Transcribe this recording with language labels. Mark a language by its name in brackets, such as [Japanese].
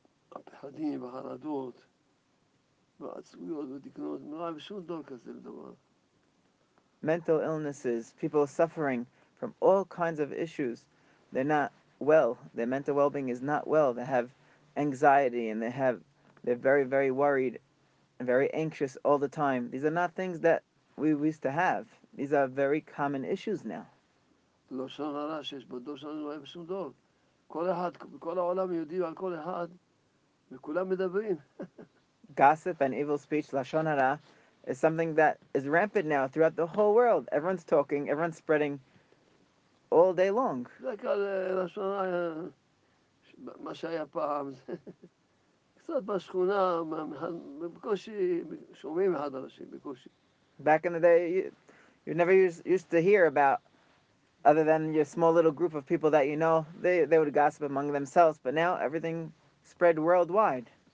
[Hebrew] הפחדים והחרדות והעצויות ודקנות, לא היה בשום דור כזה לדבר. [English] Mental illnesses, people suffering from all kinds of issues, they're not well, their mental well-being is not well, they have anxiety and they're very, very worried and very anxious all the time. These are not things that we used to have. These are very common issues now. [Hebrew] לשון הרע שיש בדור שלנו לא היה בשום דור. כל אחד, בכל העולם יודעים על כל אחד. [English] Gossip and evil speech, Lashon Hara, is something that is rampant now throughout the whole world. Everyone's talking, everyone's spreading all day long. Back in the day, you never used to hear about, other than your small little group of people that you know, they would gossip among themselves, but now everything spread worldwide.